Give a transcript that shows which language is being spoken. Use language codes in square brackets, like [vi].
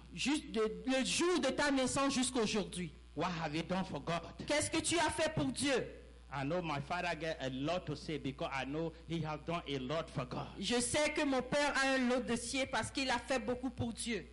[fr] Juste le jour de ta naissance jusqu'à aujourd'hui. [en] What have you done for God? [fr] Qu'est-ce que tu as fait pour Dieu? [en] I know my father gets a lot to say because I know he has done a lot for God. [fr] Je sais que mon père a un lot de cier parce qu'il a fait beaucoup pour Dieu.